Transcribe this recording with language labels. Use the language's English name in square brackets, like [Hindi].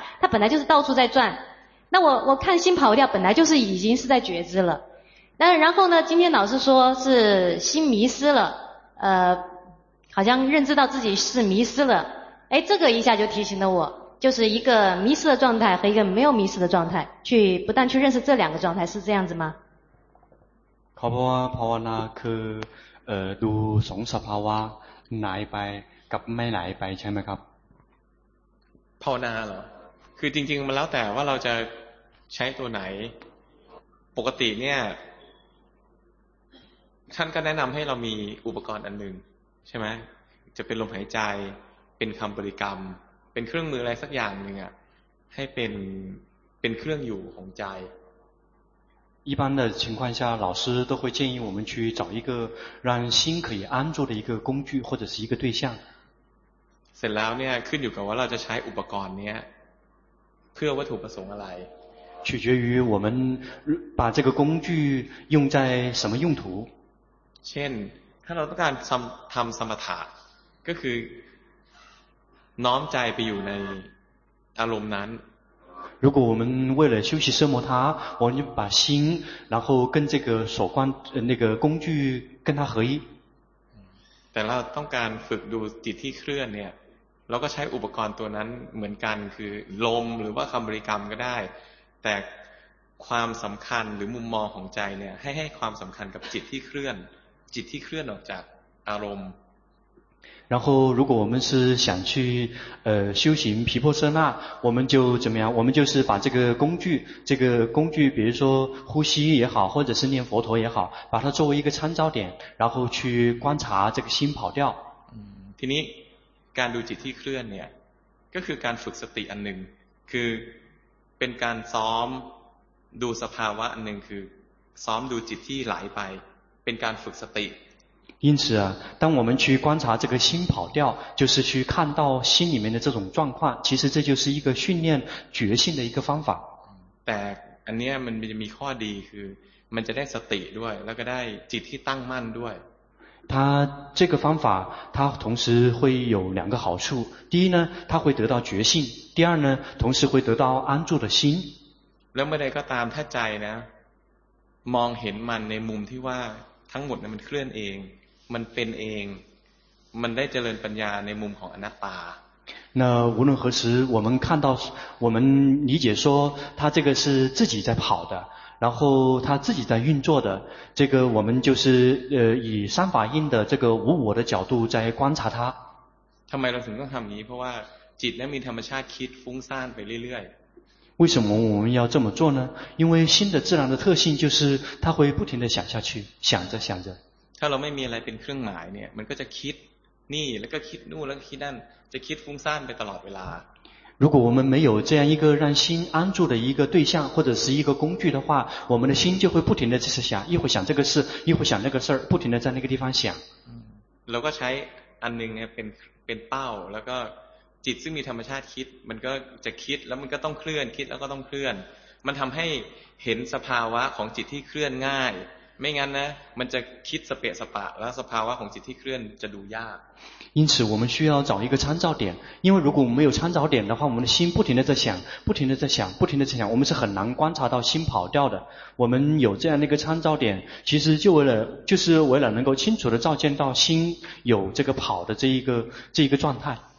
[Chinese] 它本来就是到处在转。那我看心跑掉本来就是已经是在觉知了，那然后呢，今天老师说是心迷失了，好像认知到自己是迷失了，诶，这个一下就提醒了我，就是一个迷失的状态和一个没有迷失的状态，去不但去认识这两个状态，是这样子吗？ [Thai] เขาบอกว่าภาวนาคือดูสองสภาวะไหลไปกับไม่ไหลไปใช่ไหมครับ ภาวนาเหรอคือจริงๆมันแล้วแต่ว่าเราจะใช้ตัวไหนปกติเนี่ยท่านก็แนะนำให้เรามีอุปกรณ์อันหนึ่งใช่ไหมจะเป็นลมหายใจเป็นคำบริกรรมเป็นเครื่องมืออะไรสักอย่างนึงอ่ะให้เป็นเครื่องอยู่ของใจ [Chinese] 一般的情况下老师都会建议我们去找一个让心可以安住的一个工具或者是一个对象。 [Thai] เสร็จแล้วเนี่ยขึ้นอยู่กับว่าเราจะใช้อุปกรณ์เนี้ยเพื่อวัตถุประสงค์อะไร [Chinese] 取决于我们把这个工具用在什么用途。 [Thai] เช่นถ้าเราต้องการทำสมถะก็คือน้อมใจไปอยู่ในอารมณ์นั้น [Chinese] 如果我们为了修习奢摩他，我们就把心，然后跟这个手观那个工具跟它合一。 [Thai] แต่เราต้องการฝึกดูจิตที่เคลื่อนเนี่ยเราก็ใช้อุปกรณ์ตัวนั้นเหมือนกันคือลมหรือว่าคำบริกรรมก็ได้แต่ความสำคัญหรือมุมมองของใจเนี่ยให้ความสำคัญกับจิตที่เคลื่อนจิตที่เคลื่อนออกจากอารมณ์ [Chinese] 然后如果我们是想去修行毗婆舍那，我们就怎么样，我们就是把这个工具比如说呼吸也好或者是念佛陀也好，把它作为一个参照点，然后去观察这个心跑掉。 [Thai] ทีนี้การดูจิตที่เคลื่อนเนี่ยก็คือการฝึกสติอันหนึ่งคือเป็นการซ้อมดูสภาวะอันหนึ่งคือซ้อมดูจิตที่ไหลไปเป็นการฝึกสติ [Chinese] 因此啊，当我们去观察这个心跑掉，就是去看到心里面的这种状况，其实这就是一个训练觉性的一个方法。 [Thai] แต่อันนี้มันจะมีข้อดีคือมันจะได้สติด้วยแล้วก็ได้จิตที่ตั้งมั่นด้วย [Chinese] 它这个方法它同时会有两个好处，第一呢它会得到觉性，第二呢同时会得到安住的心。 [Thai] แล้วเมื่อใดก็ตามถ้าใจนะมองเห็นมันในมุมที่ว่าทั้งหมดนั้นมันเคลื่อนเองมันเป็นเองมันได้เจริญปัญญาในมุมของอนัตตา [Chinese] 那无论何时我们看到我们理解说它这个是自己在跑的然后它自己在运作的这个我们就是以三法印的这个无我的角度在观察它 [Thai] ทำไมเราถึงต้องทำอย่างนี้เพราะว่าจิตนั้นมีธรรมชาติคิดฟุ้งซ่านไปเรื่อย [Chinese] 为什么我们要这么做呢？因为心的自然的特性就是它会不停的想下去，想着想着。 [Thai] ถ้าเราไม่มีอะไรเป็นเครื่องหมายเนี่ยมันก็จะคิดนี่แล้วก็คิดนู่นแล้วก็คิดนั่นจะคิดฟุ้งซ่านไปตลอดเวลา [Chinese] 如果我们没有这样一个让心安住的一个对象或者是一个工具的话，我们的心就会不停的就是想，一会想这个事，一会想那个事儿，不停的在那个地方想。 [Thai] เราก็ใช้อันหนึ่งเป็นเป้าแล้วก็จิตซึ่งมีธรรมชาติคิดมันก็จะคิดแล้วมันก็ต้องเคลื่อนคิดแล้วก็ต้องเคลื่อนมันทำให้เห็นสภาวะของจิตที่เคลื่อนง่าย 没งั้น呢มันจะคิดสเปะสปะแล้วสภาวะของจิตที่เคลื่อนจะดูยาก [Chinese] 因此我们需要找一个参照点因为如果我们没有参照点的话我们的心不停地在想不停地在想不停地在想我们是很难观察到心跑掉的我们有这样的一个参照点其实就为了就是为了能够清楚地照见到心有这个跑的这一个状态